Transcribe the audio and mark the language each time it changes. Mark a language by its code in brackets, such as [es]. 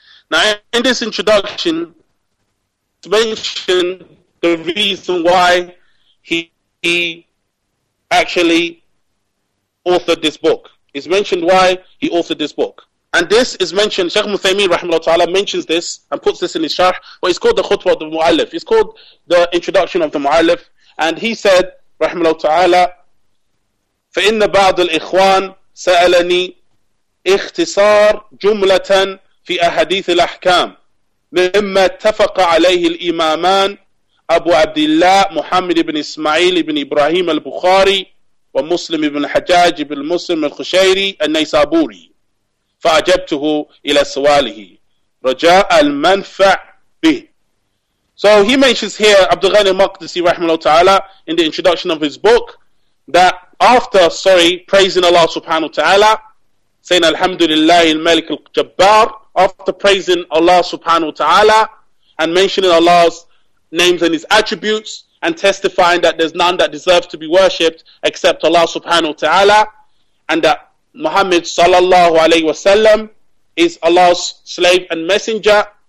[en] Now, in this introduction, to mention the reason why he actually authored this book. It's mentioned why he authored this book. And this is mentioned, Shaykh Muthaymeen rahimahullah ta'ala mentions this and puts this in his sharh, but it's called the khutbah of the mu'allif. It's called the introduction of the mu'allif. And he said, rahimahullah ta'ala, [ar] فَإِنَّ بَعْضُ الْإِخْوَانِ سَأَلَنِي اِخْتِصَارْ جُمْلَةً فِي أَحَدِيثِ الْأَحْكَامِ مِمَّا اتَّفَقَ عَلَيْهِ الْإِمَامَانِ أَبُو عَبْدِ اللَّهِ مُحَمِّد بن إسماعيل بن إبراهيم البخاري ومسلم بن الحجاج بن مسلم الخشيري النيسابوري فأجبته إلى سواله رجاء المنفع به. [en] So he mentions here Abdul Ghani al-Maqdisi rahimahullah ta'ala in the introduction of his book that after, sorry, praising Allah subhanahu wa ta'ala, saying Alhamdulillah al-Malik al-Jabbar, after praising Allah subhanahu wa ta'ala and mentioning Allah's names and his attributes and testifying that there's none that deserves to be worshipped except Allah subhanahu wa ta'ala, and that Muhammad sallallahu alayhi wa sallam is Allah's slave and messenger,